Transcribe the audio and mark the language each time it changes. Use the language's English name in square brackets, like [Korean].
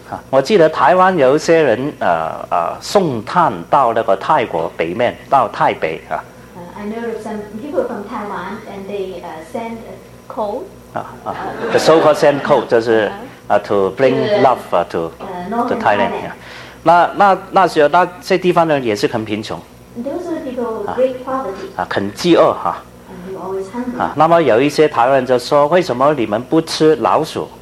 [Chinese] 我记得台湾有一些人送炭到那个泰国北面，到台北啊。 [English] I know some people from Taiwan and they send coal. The so-called send coal [Chinese] 就是 [English] to bring love to to Thailand. Yeah. [Chinese] 那时候那些地方的人也是很贫穷。 [English] Those are people great poverty. [Chinese] 很饥饿哈。啊，那么有一些台湾人就说，为什么你们不吃老鼠？